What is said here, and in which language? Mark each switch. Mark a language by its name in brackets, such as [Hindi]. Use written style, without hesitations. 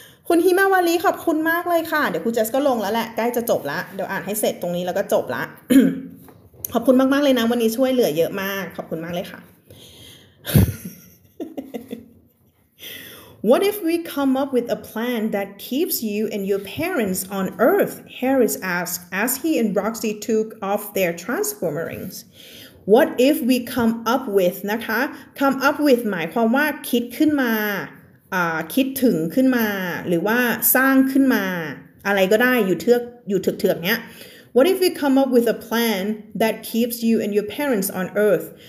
[Thai] คุณฮิมาวาลีขอบคุณมากเลยค่ะเดี๋ยวคุณเจสก็ลงแล้วแหละใกล้จะจบละเดี๋ยวอ่านให้เสร็จตรงนี้แล้วก็จบละ ขอบคุณมากๆเลยนะวันนี้ช่วยเหลือเยอะมากขอบคุณมากเลยค่ะ [English] What if we come up with a plan that keeps you and your parents on Earth? Harris asked as he and Roxy took off their transformer rings. What if we come up with นะคะ come up with [Thai] หมายความว่าคิดขึ้นมาคิดถึงขึ้นมาหรือว่าสร้างขึ้นมาอะไรก็ได้อยู่เถือกเนี้ย [English] What if we come up with a plan that keeps you and your parents on Earth?